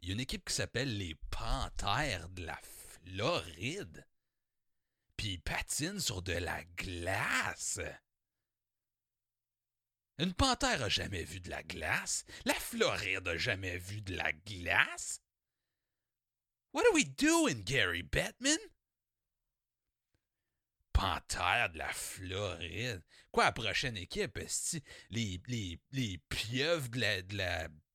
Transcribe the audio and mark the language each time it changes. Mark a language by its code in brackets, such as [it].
[fr] Il y a une équipe qui s'appelle les Panthères de la Floride. Puis ils patinent sur de la glace. Une panthère a jamais vu de la glace. La Floride a jamais vu de la glace. [en] What are we doing, Gary Bettman? [fr] Panthère de la Floride. Quoi, la prochaine équipe? Est-ce les pieuvres de la...